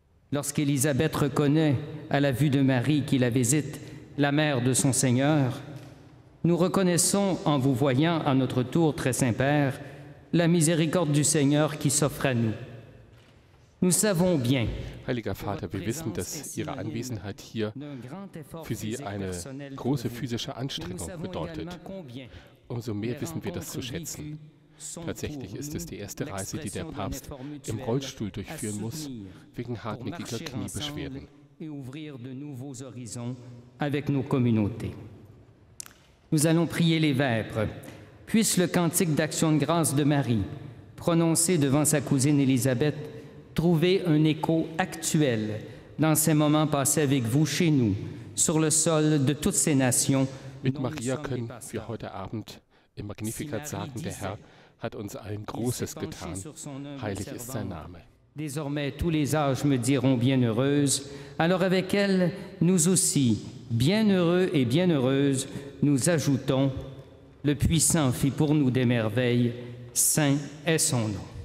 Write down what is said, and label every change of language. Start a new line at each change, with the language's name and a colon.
French: Lorsqu'Elisabeth reconnaît à la vue de Marie qui la visite, la mère de son Seigneur, nous reconnaissons en vous voyant à notre tour, très saint Père, la miséricorde du Seigneur qui s'offre à nous. Nous savons bien,
German: Heiliger Vater, wir wissen, dass Ihre Anwesenheit hier für Sie eine große physische Anstrengung bedeutet. Umso mehr wissen wir das zu schätzen. Tatsächlich ist es die erste Reise, die der Papst im Rollstuhl durchführen muss, wegen hartnäckiger Kniebeschwerden.
French: Et ouvrir de nouveaux horizons avec nos communautés. Nous allons prier les Vêpres. Puisse le cantique d'action de grâce de Marie, prononcé devant sa cousine Élisabeth, trouver un écho actuel dans ces moments passés avec vous chez nous, sur le sol de toutes ces nations.
German: Mit Maria können wir heute Abend im Magnificat sagen, der Herr hat uns allen Großes getan. Heilig ist sein Name.
French: Désormais, tous les âges me diront bienheureuse. Alors avec elle, nous aussi, bienheureux et bienheureuses, nous ajoutons, le Puissant fit pour nous des merveilles, saint est son nom.